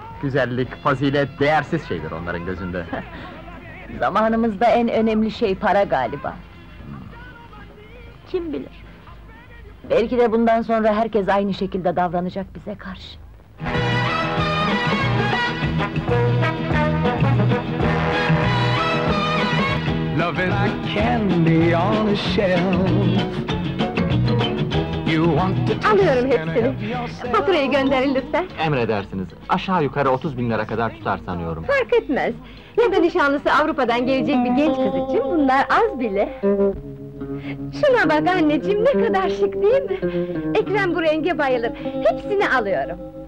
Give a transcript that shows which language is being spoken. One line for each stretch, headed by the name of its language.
Turkish: Güzellik, fazilet, değersiz şeydir onların gözünde. Zamanımızda en önemli şey para galiba. Kim bilir? Belki de bundan sonra herkes aynı şekilde davranacak bize karşı.
English: Love is like candy on a shelf.
Turkish: Alıyorum hepsini. Faturayı gönderin lütfen. Emredersiniz. Aşağı yukarı 30 bin lira kadar tutar sanıyorum. Fark etmez. Ya da nişanlısı Avrupa'dan gelecek bir genç kız için bunlar az bile. Şuna bak anneciğim, ne kadar şık değil mi? Ekrem bu renge bayılır. Hepsini alıyorum.